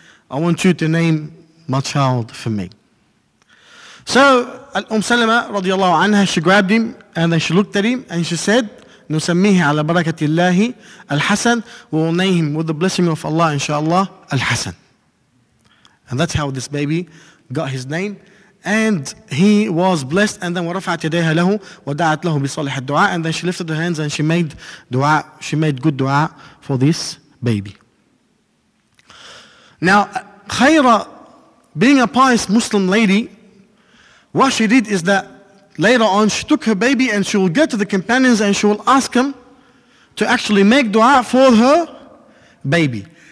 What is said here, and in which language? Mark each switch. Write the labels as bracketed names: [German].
[English] I want you to name my child for me. So Umm Salama radiallahu anha, she grabbed him and then she looked at him and she said, [Arabic] نسميه على بركة الله الحسن. [English] We will name him with the blessing of Allah, inshallah, الحسن. And that's how this baby got his name. And he was blessed. And then [Arabic] ورفعت يديها له ودعت له بصالح الدعاء. [English] And then she lifted her hands and she made دعاء. She made good دعاء for this baby. Now, Khayra, being a pious Muslim lady, what she did is that later on, she took her baby and she will go to the companions and she will ask them to actually make dua for her baby.